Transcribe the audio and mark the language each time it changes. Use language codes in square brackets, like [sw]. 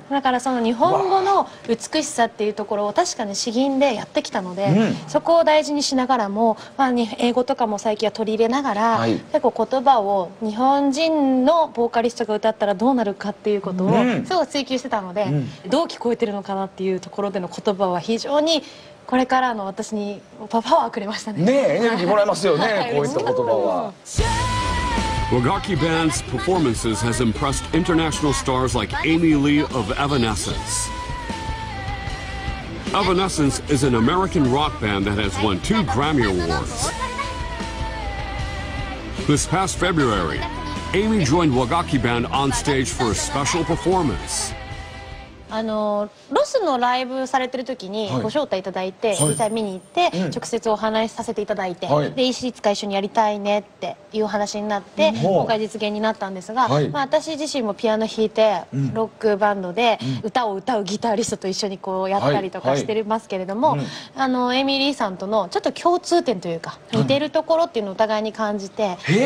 [ja] だからその日本語の美しさっていうところを確かに詩吟でやってきたので、そこを大事にしながらも、英語とかも最近は取り入れながら、結構言葉を日本人のボーカリストが歌ったらどうなるかっていうことをすごく追求してたので、どう聞こえてるのかなっていうところでの言葉は非常にこれからの私にパワーをくれましたね。ねえ、エネルギーもらえますよね、こういった言葉は。 [en] Wagaki Band's performances has impressed international stars like Amy Lee of Evanescence. Evanescence is an American rock band that has won 2 Grammy Awards. This past February, Amy joined Wagaki Band on stage for a special performance. [ja] ロスのライブされてる時にご招待いただいて、実際見に行って直接お話しさせていただいて、でいつか一緒にやりたいねっていう話になって今回実現になったんですが、私自身もピアノ弾いてロックバンドで歌を歌うギタリストと一緒にこうやったりとかしてますけれども、エミリーさんとのちょっと共通点というか似てるところっていうのをお互いに感じて、